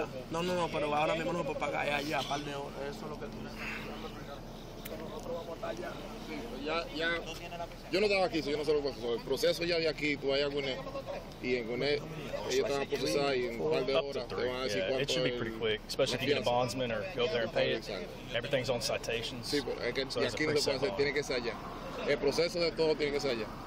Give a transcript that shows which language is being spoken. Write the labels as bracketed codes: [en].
[es] No, pero ahora mismo no puedo pagar allá, un par de horas. Eso es lo que tú Ya. Yo no estaba aquí, si yo no sé lo que pasó. El proceso ya de aquí, tú vas a Guiné. Y en Guiné, ellos están a procesar y en un par de horas te van a decir cuánto [en] es. It should be pretty quick, especially if you get a bondsman or go there and pay it. Everything's on citations. [es] Sí, pero es que aquí lo que pasa es que tiene que ser allá. El proceso de todo tiene que ser allá.